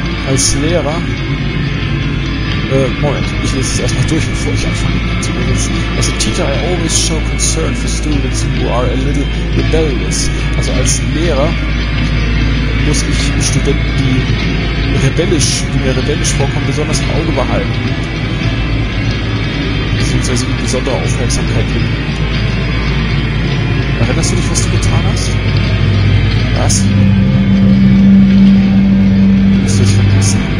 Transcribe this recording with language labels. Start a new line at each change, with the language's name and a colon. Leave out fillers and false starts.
German: Als Lehrer Moment, ich lese es erstmal durch, bevor ich anfange zu benutzen.
English: As a teacher, I always show concern for students who are a little rebellious.
German: Also als Lehrer muss ich Studenten, die mir rebellisch vorkommen, besonders im Auge behalten. Beziehungsweise ihnen besondere Aufmerksamkeit geben. Erinnerst du dich, was du getan hast? Was? Willst du es vergessen?